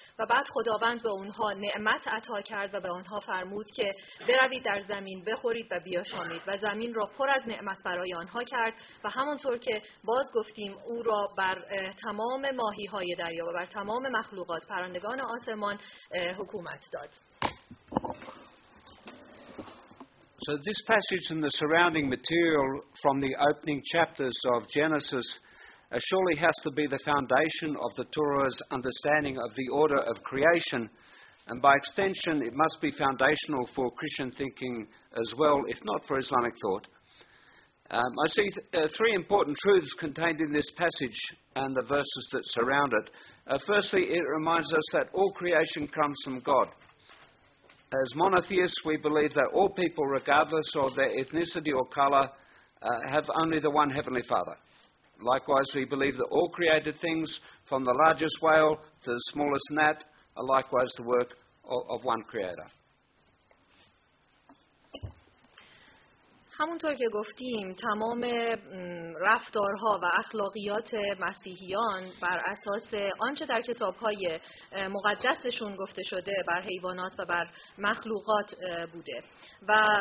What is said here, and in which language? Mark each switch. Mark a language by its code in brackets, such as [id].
[fa] و بعد خداوند به اونها نعمت عطا کرد و به اونها فرمود که بروید در زمین، بخورید و بیاشامید، و زمین را پر از نعمت برای آنها کرد. و همونطور که باز گفتیم، او را بر تمام ماهی های دریا و بر تمام مخلوقات، پرندگان آسمان، حکومت داد. [en] So this passage and the surrounding material from the opening chapters of Genesis surely has to be the foundation of the Torah's understanding of the order of creation, and by extension it must be foundational for Christian thinking as well, if not for Islamic thought. I see three important truths contained in this passage and the verses that surround it. Firstly, it reminds us that all creation comes from God. As monotheists, we believe that all people, regardless of their ethnicity or color, have only the one Heavenly Father. Likewise, we believe that all created things, from the largest whale to the smallest gnat, are likewise the work of one creator. [fa] همونطور که گفتیم، تمام رفتارها و اخلاقیات مسیحیان بر اساس آنچه در کتابهای مقدسشون گفته شده بر حیوانات و بر مخلوقات بوده، و